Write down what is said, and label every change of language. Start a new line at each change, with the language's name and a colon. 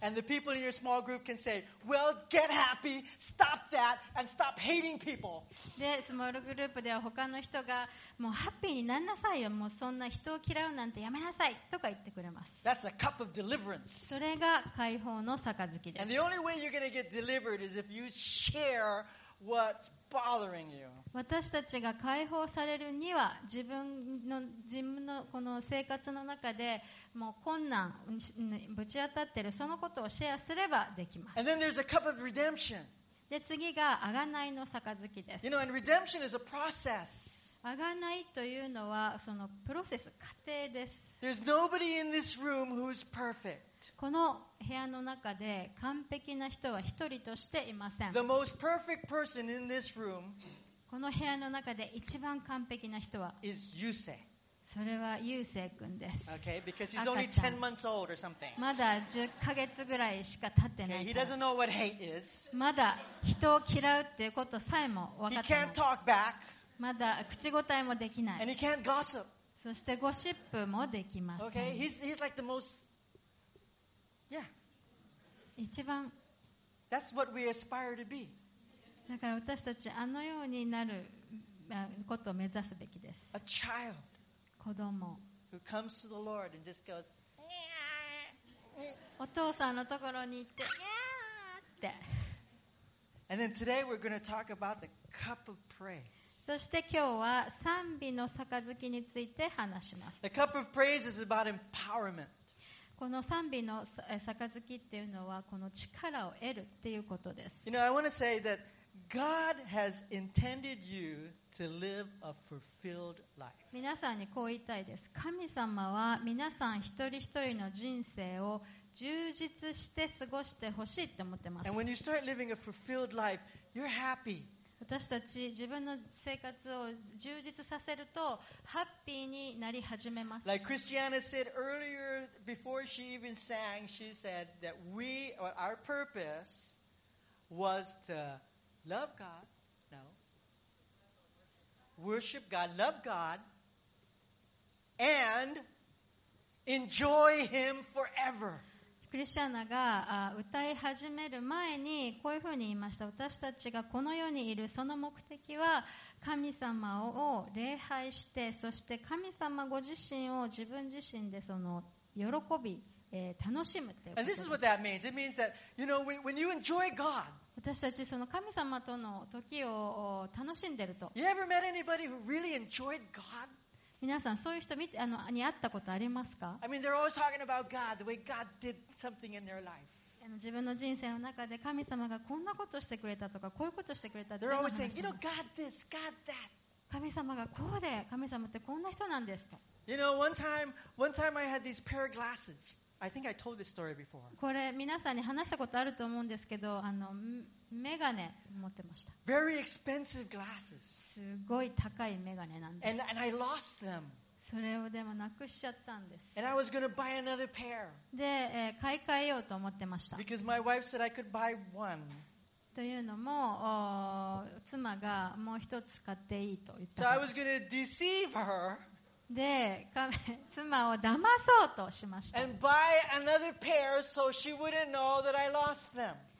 English: And the people in your small group can say, well, get happy, stop that, and stop hating people.
Japanese: でスモールグループでは他の人がもうハッピーになんなさいよ、もうそんな人を嫌うなんてやめなさいとか言ってくれます。
English: That's a cup of deliverance.
Japanese: それが解放の杯です。
English: And the only way you're going to get delivered is if you share what's bothering you.
Japanese: 私たちが解放されるには、自分のこの生活の中でもう困難ぶち当たってる、そのことをシェアすればできます。
English: And then there's a cup of redemption.
Japanese: で次が贖いの杯です。
English: You know, and redemption is a process.
Japanese: 贖いというのはそのプロセス、過程です。
English: There's nobody in this room who's perfect.
Japanese: この部屋の中で完璧な人は一人としていません。
English: The most perfect person in this room,
Japanese: この部屋の中で一番完璧な人は、
English: is Yusei.
Japanese: それは優生くんです。
English: Okay, because he's only 10 months old or something.
Japanese: まだ10ヶ月ぐらいしか経ってない。
English: Okay, he doesn't know what hate is.
Japanese: まだ人を嫌うっていうことさえも分かってない。
English: He can't talk back.
Japanese: まだ口答えもできない。
English: And he can't gossip.
Japanese: そしてゴシップもできません。
English: Okay, he's like the most, yeah.
Japanese: 一番。
English: That's what we aspire to be.
Japanese: だから私たちあのようになることを目指すべきです。
English: A child.
Japanese: 子供。
English: Who comes to the Lord and just goes,
Japanese: お父さんのところに行って、にゃーって。
English: And then today we're going to talk about the cup of praise.
Japanese: そして今日は賛美の杯について話します。
English: The cup of praise is about empowerment.
Japanese: この賛美の杯っていうのはこの力を得るっていうことです。
English: You know, I want to say that God has intended you to live a fulfilled life.
Japanese: 皆さんにこう言いたいです。神様は皆さん一人一人の人生を充実して過ごしてほしいって思ってます。
English: And when you start living a fulfilled life, you're happy.
Japanese: 私たち自分の生活を充実させるとハッピーになり始めます。
English: Like Christiana said earlier, before she even sang, she said that we, or our purpose was to love God, no, worship God, love God, and enjoy Him forever.
Japanese: クリスチャーナが歌い始める前にこういうふうに言いました。私たちがこの世にいるその目的は神様を礼拝して、そして神様ご自身を自分自身でその喜び、楽しむっていうことです。
English: And this is what that means. It means that, you know, when you enjoy God,
Japanese: 私たちその神様との時を楽しんでると。
English: You ever met anybody who really enjoyed God?
Japanese: 皆さんそういう人見てに会ったことありますか？
English: I mean, they're always talking about God, the way God did something in their life.
Japanese: 自分の人生の中で神様がこんなことしてくれたとかこういうことしてくれたって話してます。
English: They're always saying, you know, God this, God that.
Japanese: 神様がこうで、神様ってこんな人なんですと。
English: You know, one time I had these pair of glasses. I think I told this story before.
Japanese: これ皆さんに話したことあると思うんですけど、メガネ持ってました。
English: Very expensive glasses.
Japanese: すごい高いメガネなんです。
English: And I lost them.
Japanese: それをでもなくしちゃったんです。
English: And I was going to buy another pair.
Japanese: で、買い替えようと思ってました。
English: Because my wife said I could buy one.
Japanese: というのも、妻がもう一つ買っていいと言った。
English: So I was going to deceive her.
Japanese: で、妻を騙そうとしました。
English: And buy another pair so she wouldn't know that I lost them.